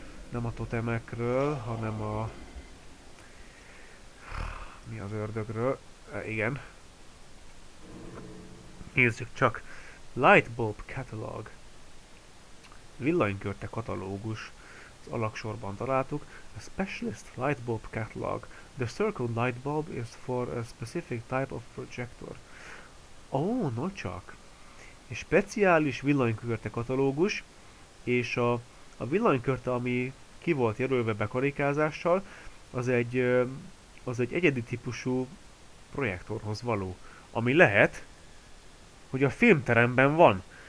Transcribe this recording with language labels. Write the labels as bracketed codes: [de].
[hu] Nem a totemekről, hanem a... Mi az ördögről? Igen. Nézzük csak. Lightbulb Catalog. Villanykörte katalógus. Az alaksorban találtuk. [en] A Specialist Lightbulb Catalog. The circled light bulb is for a specific type of projector. [hu] Nocsak! Egy speciális villanykörte katalógus, és a villanykörte, ami ki volt jelölve bekarikázással, az egy egyedi típusú projektorhoz való. Ami lehet, hogy a filmteremben van.